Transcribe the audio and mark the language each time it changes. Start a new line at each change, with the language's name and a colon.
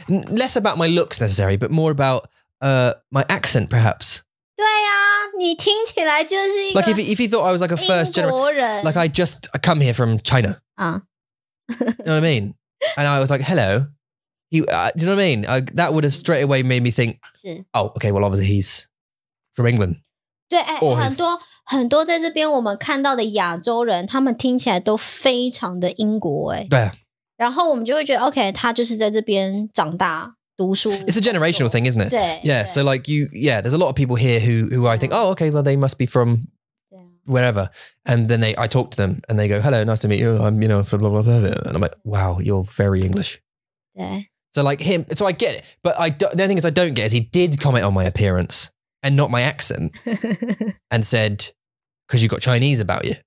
English: Less about my looks necessarily, but more about... my accent, perhaps.
Chinese: 对啊，你听起来就是一个
English: like if you thought I was like a first generation, like I just come here from China. You know what I mean? And I was like, hello. You know what I mean? That would have straight away made me think, oh, okay, well, obviously he's from England.
Chinese: 对，很多在这边我们看到的亚洲人，他们听起来都非常的英国诶。对啊。然后我们就会觉得 okay, 他就是在这边长大。
English: It's a generational thing, isn't it? Yeah, so like there's a lot of people here who I think, oh, okay, well, they must be from wherever. And then I talk to them and they go, hello, nice to meet you. I'm, you know, blah, blah, blah, blah. And I'm like, wow, you're very English. Yeah. So like him, so I get it. But the only thing is I don't get is he did comment on my appearance and not my accent and said, because you've got Chinese about you.